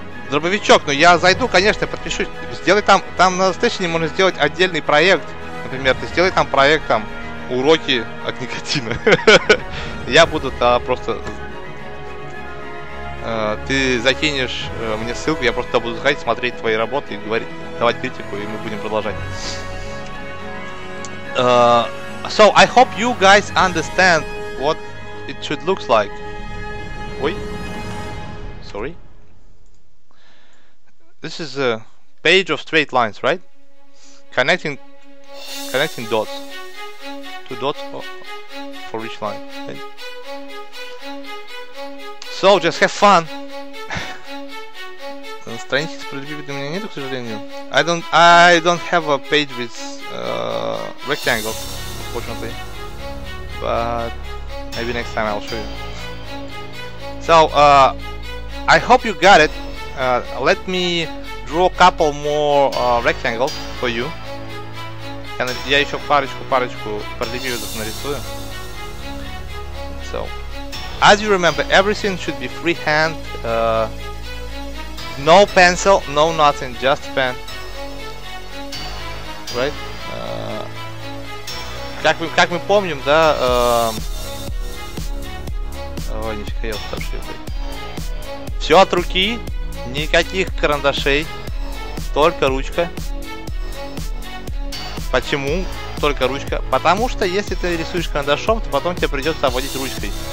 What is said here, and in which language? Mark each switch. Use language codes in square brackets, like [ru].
[ru] Дробовичок, ну я зайду, конечно, подпишусь. Сделай там. Там на стейшене можно сделать отдельный проект. Например, ты сделай там проект там уроки от никотина. Я буду там просто. Ты закинешь мне ссылку, я просто буду заходить, смотреть твои работы и говорить, давать критику, и мы будем продолжать. [en] So, I hope you guys understand what it should look like. Ой. Sorry. This is a page of straight lines, right? Connecting dots. Two dots for each line, right? So, just have fun! [ru] Страницы с параллелепипедом у меня нету, к сожалению. [en] I don't have a page with rectangles, unfortunately. But maybe next time I'll show you. So, I hope you got it. Let me draw a couple more rectangles for you. [ru] And я еще парочку параллелепипедов нарисую. [en] So. As you remember, everything should be freehand, no pencil, no nothing, just pen, right? [ru] как мы помним, да, ой, нифига, я устаршил. Все от руки, никаких карандашей, только ручка. Почему только ручка? Потому что если ты рисуешь карандашом, то потом тебе придется обводить ручкой.